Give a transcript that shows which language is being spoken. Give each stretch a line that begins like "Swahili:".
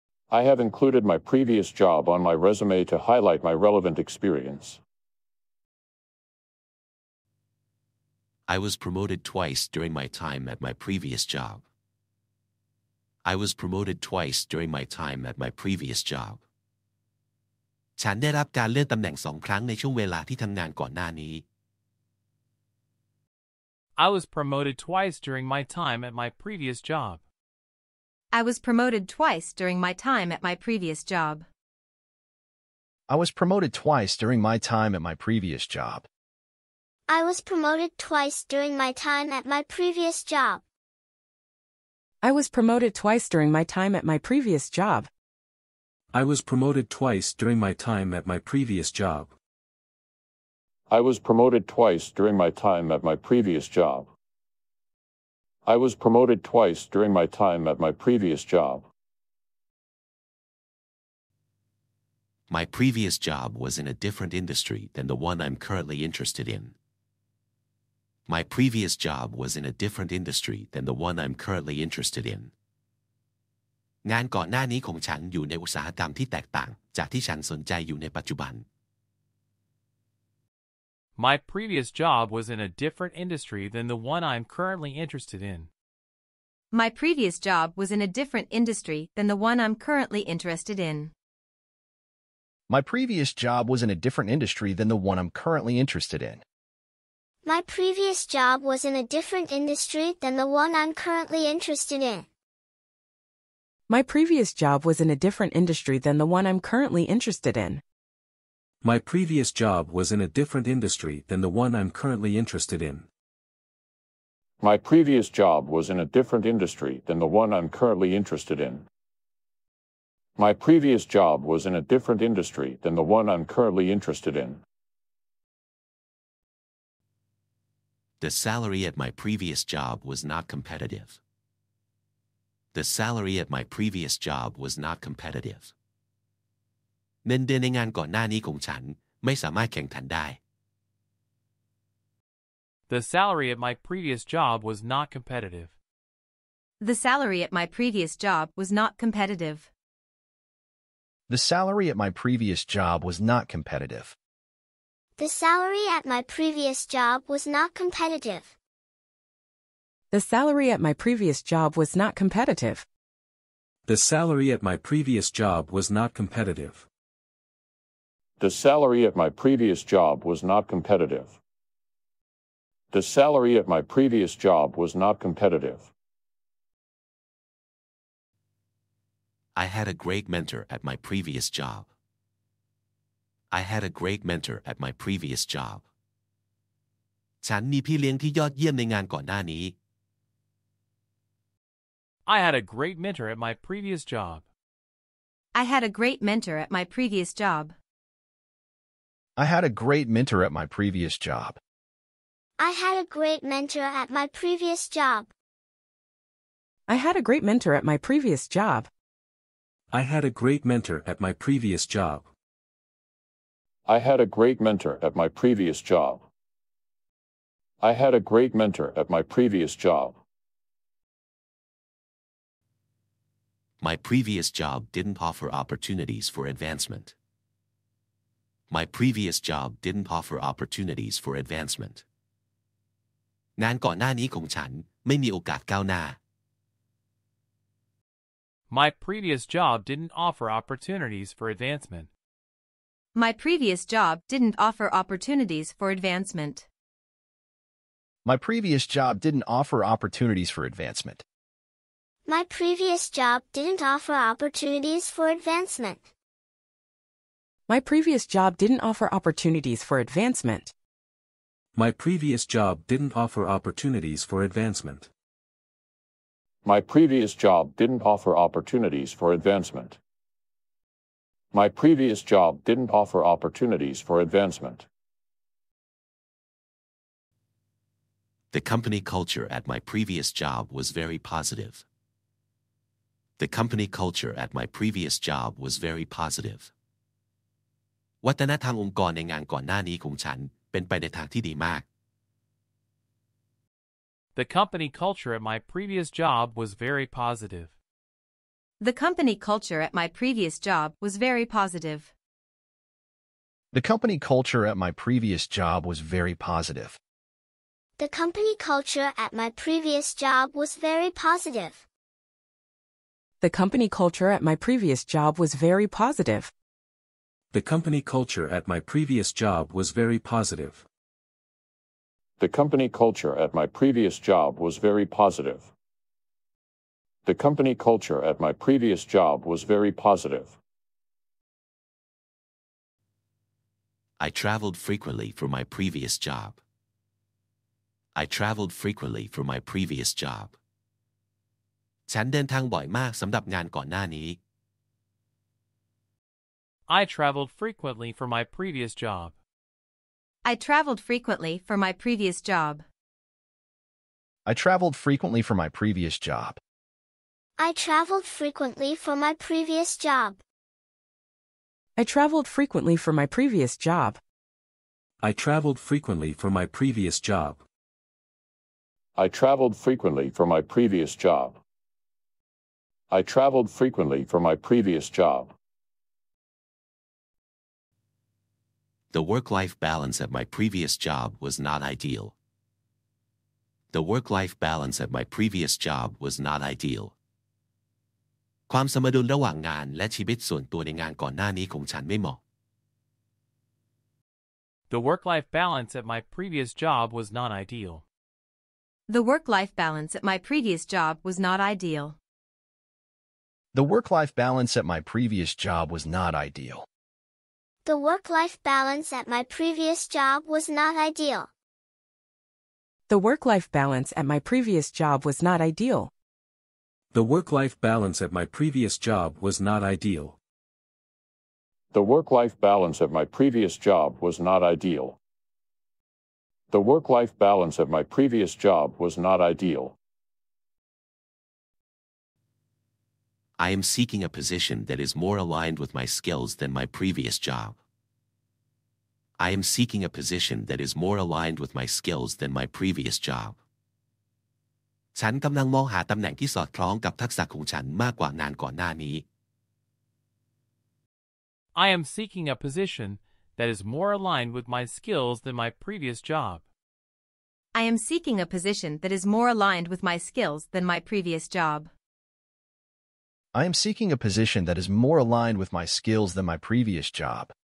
English: I have included my previous job on my resume to highlight my relevant experience. I was promoted twice during my time at my previous job. I was promoted twice during my time at my previous job.
Thai: ฉันได้รับการเลื่อนตำแหน่ง2ครั้งในช่วงเวลาที่ทำงานก่อนหน้านี้
English: I was promoted twice during my time at my previous job. I was promoted twice during my time at my previous job. I was promoted twice during my time at my previous job. I was promoted twice during my time at my previous job. I was promoted twice during my time at my previous job. I was promoted twice during my time at my previous job. I was promoted twice during my time at my previous job. I was promoted twice during my time at my previous job. My previous job was in a different industry than the one I'm currently interested in. My previous job was in a different industry than the one I'm currently interested in.
Thai: งานก่อนหน้านี้ของฉันอยู่ในอุตสาหกรรมที่แตกต่างจากที่ฉันสนใจอยู่ในปัจจุบัน
English: My previous job was in a different industry than the one I'm currently interested in. My previous job was in a different industry than the one I'm currently interested in. My previous job was in a different industry than the one I'm currently interested in. My previous job was in a different industry than the one I'm currently interested in. My previous job was in a different industry than the one I'm currently interested in. My previous job was in a different industry than the one I'm currently interested in. My previous job was in a different industry than the one I'm currently interested in. My previous job was in a different industry than the one I'm currently interested in. The salary at my previous job was not competitive. The salary at my previous job was not competitive.
Thai: เงินเดือนในงานก่อนหน้านี้ของฉันไม่สามารถแข่งขันได้
English: The salary at my previous job was not competitive. The salary at my previous job was not competitive. The salary at my previous job was not competitive. The salary at my previous job was not competitive. The salary at my previous job was not competitive. The salary at my previous job was not competitive. The salary at my previous job was not competitive. The salary at my previous job was not competitive. I had a great mentor at my previous job. I had a great mentor at my previous job.
Thai: ฉันมีพี่เลี้ยงที่ยอดเยี่ยมในงานก่อนหน้านี้
English: I had a great mentor at my previous job. I had a great mentor at my previous job. I had a great mentor at my previous job. I had a great mentor at my previous job. I had a great mentor at my previous job. I had a great mentor at my previous job. I had a great mentor at my previous job. I had a great mentor at my previous job. My previous job didn't offer opportunities for advancement. My previous job didn't offer opportunities for advancement.
Thai: งานก่อนหน้านี้ของฉันไม่มีโอกาสก้าวหน้า
English: My previous job didn't offer opportunities for advancement. My previous job didn't offer opportunities for advancement. My previous job didn't offer opportunities for advancement. My previous job didn't offer opportunities for advancement. My previous job didn't offer opportunities for advancement. My previous job didn't offer opportunities for advancement. My previous job didn't offer opportunities for advancement. My previous job didn't offer opportunities for advancement. The company culture at my previous job was very positive. The company culture at my previous job was very positive.
Thai: วัฒนธรรมองค์กรในงานก่อนหน้านี้ของฉันเป็นไปในทางที่ดีมาก
English: The company culture at my previous job was very positive. The company culture at my previous job was very positive. The company culture at my previous job was very positive. The company culture at my previous job was very positive. The company culture at my previous job was very positive. The company culture at my previous job was very positive. The company culture at my previous job was very positive. The company culture at my previous job was very positive. I traveled frequently for my previous job. I traveled frequently for my previous job.
Thai: ฉันเดินทางบ่อยมากสำหรับงานก่อนหน้านี้
English: I traveled frequently for my previous job. I traveled frequently for my previous job. I traveled frequently for my previous job. I traveled frequently for my previous job. I traveled frequently for my previous job. I traveled frequently for my previous job. I traveled frequently for my previous job. I traveled frequently for my previous job. The work-life balance at my previous job was not ideal. The work-life balance at my previous job was not ideal.
Thai: ความสมดุลระหว่างงานและชีวิตส่วนตัวในงานก่อนหน้านี้ของฉันไม่เหมาะ
English: The work-life balance at my previous job was not ideal. The work-life balance at my previous job was not ideal. The work-life balance at my previous job was not ideal. The work-life balance at my previous job was not ideal. The work-life balance at my previous job was not ideal. The work-life balance at my previous job was not ideal. The work-life balance at my previous job was not ideal. The work-life balance at my previous job was not ideal. I am seeking a position that is more aligned with my skills than my previous job. I am seeking a position that is more aligned with my skills than my previous job.
Thai: ฉันกำลังมองหาตำแหน่งที่สอดคล้องกับทักษะของฉันมากกว่างานก่อนหน้านี้
English: I am seeking a position that is more aligned with my skills than my previous job. I am seeking a position that is more aligned with my skills than my previous job. I am seeking a position that is more aligned with my skills than my previous job.